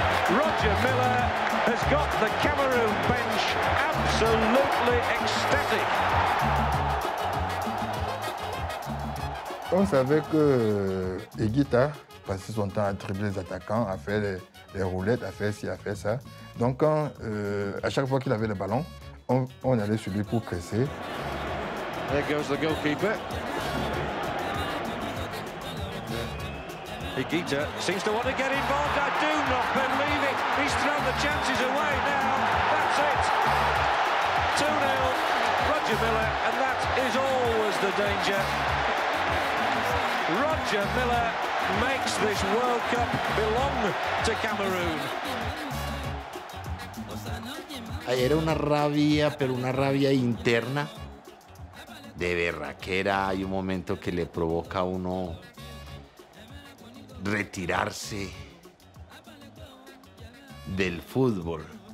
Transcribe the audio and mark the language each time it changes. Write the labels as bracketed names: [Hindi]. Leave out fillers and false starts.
[English] Roger Miller has got the Cameroon bench absolutely ecstatic. [French] On savait que Egita passait son temps à dribbler les attaquants, à faire les roulettes, à faire ci, à faire ça. Donc quand, à chaque fois qu'il avait le ballon, on allait sur lui pour presser. [English] There goes the goalkeeper. Egita seems to want to get involved. I do not believe it. He's thrown the chances away now. That's it. 2-0, Roger Miller, and that is always the danger. Roger Miller makes this World Cup belong to Cameroon. [Spanish] Era una rabia, pero una rabia interna de berraquera. Hay un momento que le provoca a uno retirarse del fútbol.